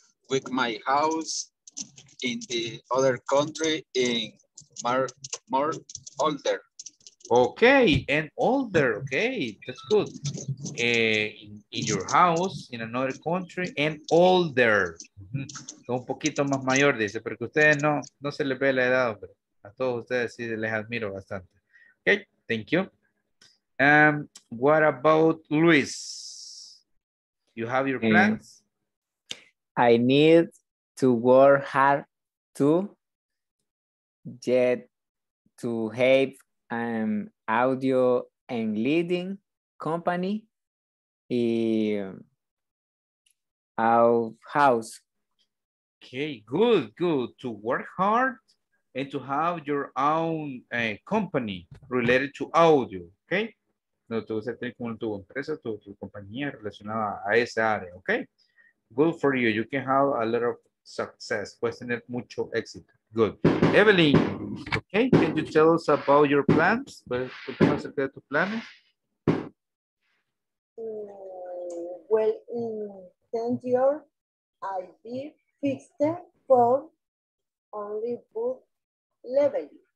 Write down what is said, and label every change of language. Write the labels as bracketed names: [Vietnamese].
[English] With my house in the other country in more older. Okay, and older. Okay, that's good. In your house in another country and older. [Spanish] Un poquito más mayor, dice, porque ustedes no se les ve la edad, hombre. A todos ustedes sí les admiro bastante. [English] Okay, thank you. What about Luis? You have your plans? I need to work hard to get to have an audio and leading company our house. Okay, good, good. To work hard and to have your own company related to audio, okay? [Spanish] No, tú vas a tener como tu empresa, tu compañía relacionada a esa área, okay? [English] Good for you. You can have a lot of success. [Spanish] Puedes tener mucho éxito. [English] Good. Evelyn, okay, can you tell us about your plans? [Spanish] ¿Puedes contar acerca de tus planes? [English] Well, in 10 years, I'll be fixed for only book leveling.